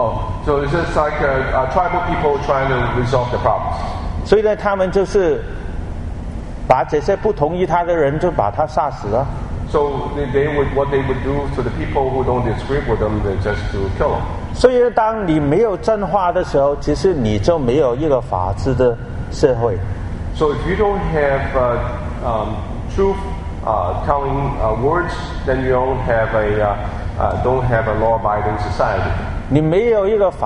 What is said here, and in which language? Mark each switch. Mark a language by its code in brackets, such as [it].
[en] Oh, so it's just like a tribal people trying to resolve the problems. [zh] 所以呢，他们就是把这些不同意他的人就把他杀死了。 [en] So they would what they would do to the people who don't disagree with them, they just to kill them. [zh] 所以当你没有真话的时候，其实你就没有一个法治的社会。 [en] So if you don't have truth telling words, then you don't have a law-abiding society.